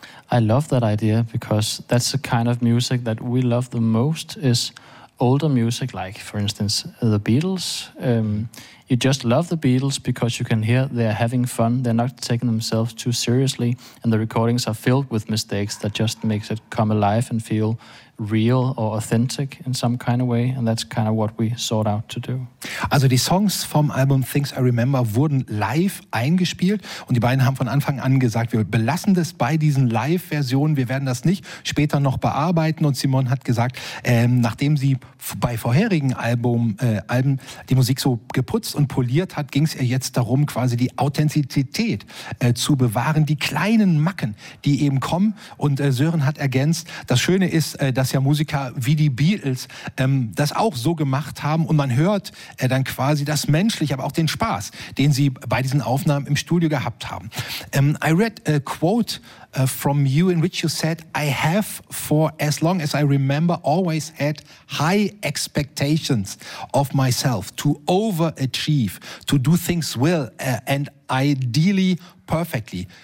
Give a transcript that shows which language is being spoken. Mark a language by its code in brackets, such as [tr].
[en] I love that idea because that's the kind of music that we love the most is older music, like, for instance, the Beatles. You just love the Beatles because you can hear they're having fun. They're not taking themselves too seriously. And the recordings are filled with mistakes that just makes it come alive and feel real or authentic in some kind of way. And that's kind of what we sought out to do. [de] Also die Songs vom Album Things I Remember wurden live eingespielt. Und die beiden haben von Anfang an gesagt, wir belassen das bei diesen Live-Versionen. Wir werden das nicht später noch bearbeiten. Und Simon hat gesagt, nachdem sie bei vorherigen Alben die Musik so geputzt und poliert hat, ging es ihr jetzt darum, quasi die Authentizität zu bewahren, die kleinen Macken, die eben kommen. Und Sören hat ergänzt, das Schöne ist, dass ja Musiker wie die Beatles das auch so gemacht haben und man hört dann quasi das Menschliche, aber auch den Spaß, den sie bei diesen Aufnahmen im Studio gehabt haben. [en] I read a quote from you in which you said, I have for as long as I remember always had high expectations of myself to overachieve, to do things well and ideally perfectly.